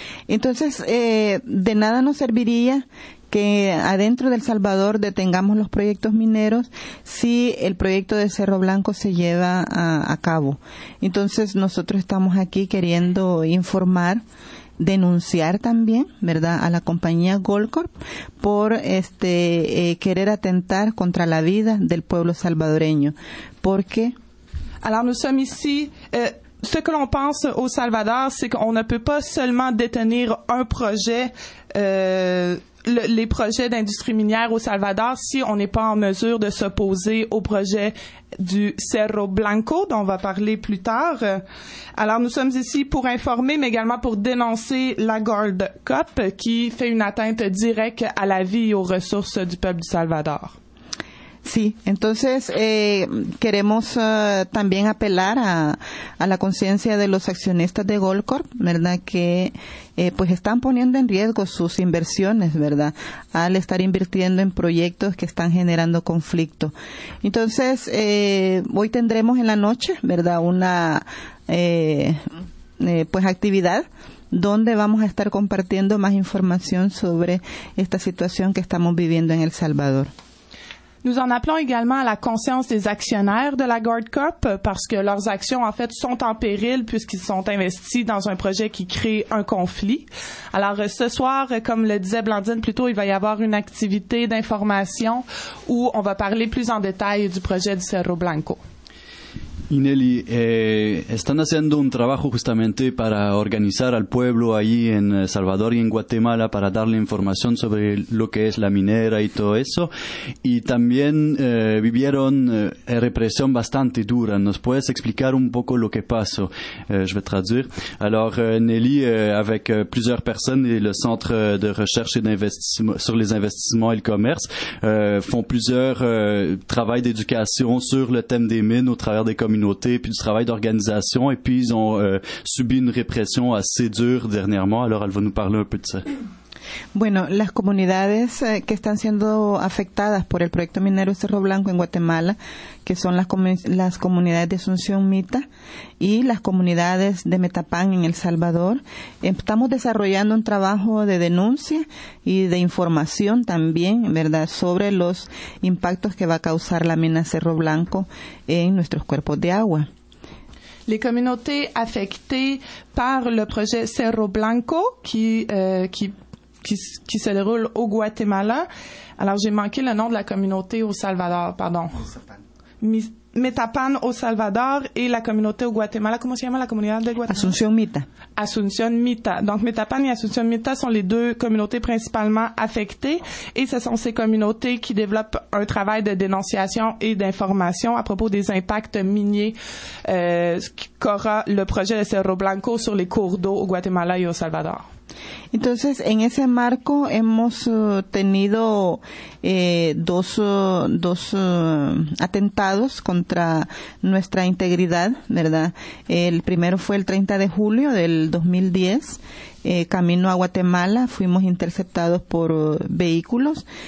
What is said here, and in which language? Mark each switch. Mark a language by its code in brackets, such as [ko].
[es] Entonces, de nada nos serviría que adentro del Salvador detengamos los proyectos mineros si el proyecto de Cerro Blanco se lleva a cabo. Entonces nosotros estamos aquí queriendo informar, denunciar también, ¿verdad?, a la compañía Goldcorp por querer atentar contra la vida del pueblo salvadoreño. Porque [fr] alors nous sommes ici ce que l'on pense au Salvador, c'est qu'on ne peut pas seulement détenir un projet, les projets d'industrie minière au Salvador, si on n'est pas en mesure de s'opposer au projet du Cerro Blanco, dont on va parler plus tard. Alors, nous sommes ici pour informer, mais également pour dénoncer la Gold Cup, qui fait une atteinte directe à la vie et aux ressources du peuple du Salvador. [es] Sí, entonces queremos también apelar a la conciencia de los accionistas de Goldcorp, ¿verdad? Que pues están poniendo en riesgo sus inversiones, ¿verdad? Al estar invirtiendo en proyectos que están generando conflicto. Entonces, hoy tendremos en la noche, ¿verdad? Una pues actividad donde vamos a estar compartiendo más información sobre esta situación que estamos viviendo en El Salvador. [fr] Nous en appelons également à la conscience des actionnaires de la Gold Cup parce que leurs actions, en fait, sont en péril puisqu'ils sont investis dans un projet qui crée un conflit. Alors, ce soir, comme le disait Blandine plus tôt, il va y avoir une activité d'information où on va parler plus en détail du projet du Cerro Blanco. [es] Y Nelly, están haciendo un trabajo justamente para organizar al pueblo ahí en Salvador y en Guatemala para darle información sobre lo que es la minera y todo eso. Y también vivieron represión bastante dura. ¿Nos puedes explicar un poco lo que pasó? [fr] Je vais traduire. Alors, Nelly, avec plusieurs personnes et le Centre de Recherche et d'Investissement sur les Investissements et le Commerce, font plusieurs travail d'éducation sur le thème des mines au travers des communauté, puis du travail d'organisation, et puis ils ont subi une répression assez dure dernièrement. Alors, elle va nous parler un peu de ça. [es] Bueno, las comunidades que están siendo afectadas por el proyecto minero Cerro Blanco en Guatemala, que son las comunidades de Asunción Mita y las comunidades de Metapán en El Salvador, estamos desarrollando un trabajo de denuncia y de información también, ¿verdad?, sobre los impactos que va a causar la mina Cerro Blanco en nuestros cuerpos de agua. [fr] Les communautés afectées par le projet Cerro Blanco qui se déroule au Guatemala. Alors, j'ai manqué le nom de la communauté au Salvador, pardon. Metapan au Salvador et la communauté au Guatemala. [es] Comment se llama la comunidad de Guatemala? Asunción Mita. Asunción Mita. [fr] Donc, Metapan et Asunción Mita sont les deux communautés principalement affectées et ce sont ces communautés qui développent un travail de dénonciation et d'information à propos des impacts miniers qu'aura le projet de Cerro Blanco sur les cours d'eau au Guatemala et au Salvador. [es] Entonces, en ese marco hemos tenido dos atentados contra nuestra integridad, ¿verdad? El primero fue el 30 de julio del 2010, camino a Guatemala, fuimos interceptados por vehículos.